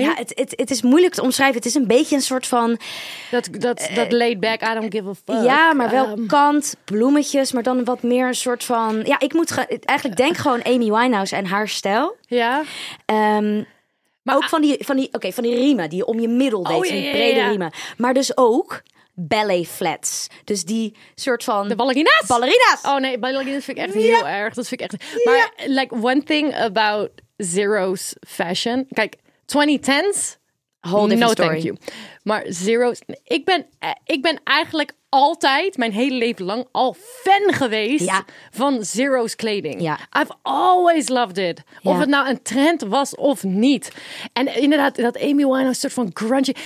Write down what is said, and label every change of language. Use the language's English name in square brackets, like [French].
[Dutch] Ja, het is moeilijk te omschrijven. Het is een beetje een soort van [English] dat laid back, I don't give a fuck. [Dutch] Ja, maar wel kant, bloemetjes, maar dan wat meer een soort van, ja, ik moet eigenlijk denk gewoon Amy Winehouse en haar stijl. Ja. Maar ook van die riemen die je om je middel deed. Oh, die brede riemen. Maar dus ook ballet flats. Dus die soort van de ballerina's. Ballerina's. Oh nee, ballerina's vind ik echt heel erg. Dat vind ik echt. [English] Maar like one thing about zero's fashion. [Dutch] Kijk, 2010s. [English] Whole different story. No, thank you. [Dutch] Maar zero's. Ik ben eigenlijk altijd, mijn hele leven lang, al fan geweest van zero's kleding. Ja. [English] I've always loved it. [Dutch] Ja. Of het nou een trend was of niet. En inderdaad, dat Amy Winehouse, een soort van grungy.